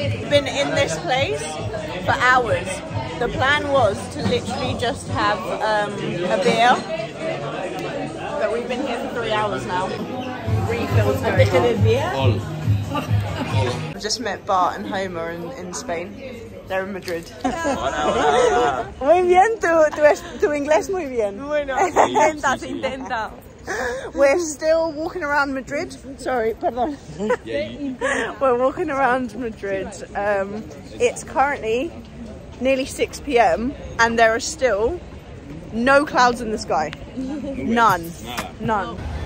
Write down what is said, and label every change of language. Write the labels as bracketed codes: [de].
[en] Been in this place for hours. The plan was to literally just have a beer. But we've been here for 3 hours now. Refills. I've just met Bart and Homer in Spain. They're in Madrid. [es] Hola, hola. Muy bien, tu inglés muy bien. Bueno, intenta. [en] We're still walking around Madrid. Sorry, perdón. We're walking around Madrid. It's currently nearly 6 p.m. and there are still no clouds in the sky. None. None.